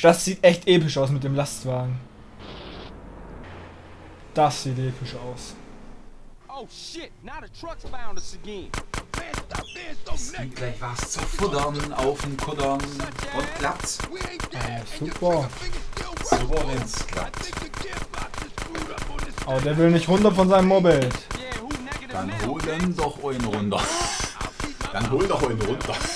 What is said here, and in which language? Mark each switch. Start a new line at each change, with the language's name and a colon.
German: Das sieht echt episch aus mit dem Lastwagen. Das sieht episch aus.
English: Oh shit, now the truck's found us again.
German: Es gibt gleich was zu futtern, auf dem Kuddern und klappt. Super. Super, wenn's klappt. Aber der will nicht runter von seinem Moped. Dann hol denn doch einen runter. Dann hol doch einen runter.